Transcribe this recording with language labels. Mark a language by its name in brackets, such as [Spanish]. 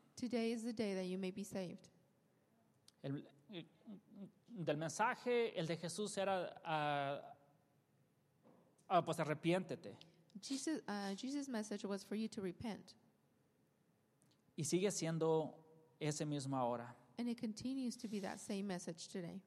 [English] Today is the day that you may be saved. [Spanish] Del mensaje, el de Jesús era, pues arrepiéntete. [English] Jesus' message was for you to repent. [Spanish] Y sigue siendo ese mismo ahora. [English] And it continues to be that same message today.